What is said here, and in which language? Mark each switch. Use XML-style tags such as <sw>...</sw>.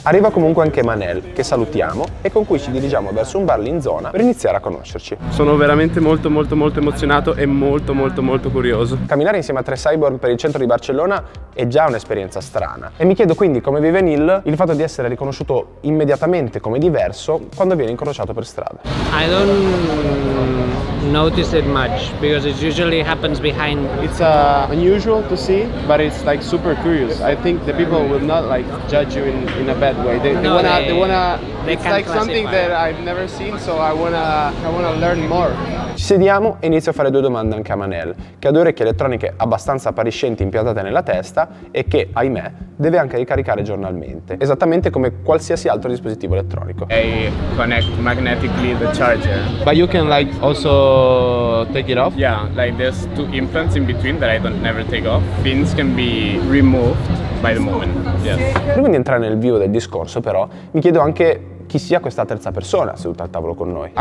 <it>Arriva comunque anche Manel, che salutiamo e con cui ci dirigiamo verso un bar lì in zona per iniziare a conoscerci. Sono veramente molto molto molto emozionato e molto molto molto curioso. Camminare insieme a tre cyborg per il centro di Barcellona è già un'esperienza strana. E mi chiedo quindi come vive Neil il fatto di essere riconosciuto immediatamente come diverso quando viene incrociato per strada.</it> <en>I don't notice it much because it usually happens behind. It's unusual to see, but it's like super curious. I think the people will not like judge you in a bad way. They it's like something that I've never seen, so I wanna learn more.</en> <it>Ci sediamo e inizio a fare due domande anche a Manel, che ha due orecchie elettroniche abbastanza appariscenti impiantate nella testa e che, ahimè, deve anche ricaricare giornalmente, esattamente come qualsiasi altro dispositivo elettronico.</it> <en>I connect magnetically the charger. But you can like also take it off? Yeah, like there's two implants in between that I don't never take off. Fins can be removed by the moment, yes.</en> <it>Prima di entrare nel vivo del discorso però, mi chiedo anche chi sia questa terza persona seduta al tavolo con noi.</it>